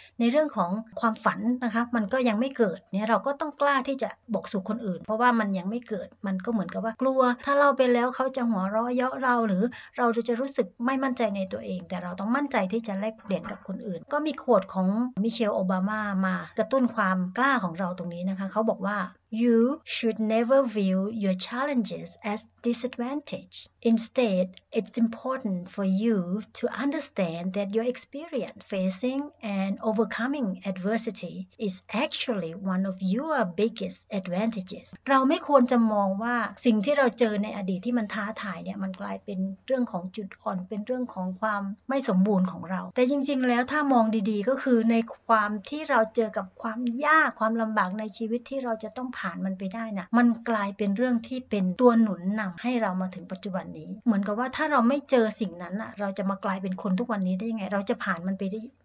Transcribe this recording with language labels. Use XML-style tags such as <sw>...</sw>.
<th>ในเรื่องของความฝันนะคะมันก็ยังไม่เกิดเนี่ยเราก็ต้องกล้าที่จะบอกสู่คนอื่นเพราะว่ามันยังไม่เกิดมันก็เหมือนกับว่ากลัวถ้าเล่าไปแล้วเขาจะหัวเราะเยาะเราหรือเราจะรู้สึกไม่มั่นใจในตัวเองแต่เราต้องมั่นใจที่จะแลกเปลี่ยนกับคนอื่นก็มีโควตของมิเชลโอบามามากระตุ้นความกล้าของเราตรงนี้นะคะเขาบอกว่า</th> <en>You should never view your challenges as disadvantage. Instead, it's important for you to understand that your experience facing and overcoming adversity is actually one of your biggest advantages.</en> <th>เราไม่ควรจะมองว่าสิ่งที่เราเจอในอดีตที่มันท้าทายเนี่ยมันกลายเป็นเรื่องของจุดอ่อนเป็นเรื่องของความไม่สมบูรณ์ของเราแต่จริงๆแล้วถ้ามองดีๆก็คือในความที่เราเจอกับความยากความลำบากในชีวิตที่เราจะต้องผ่านมันไปได้นะมันกลายเป็นเรื่องที่เป็นตัวหนุนนำให้เรามาถึงปัจจุบันนี้เหมือนกับว่าถ้าเราไม่เจอสิ่งนั้นอะเราจะมากลายเป็นคนทุกวันนี้ได้ยังไงเราจะผ่านมันไปได้</th>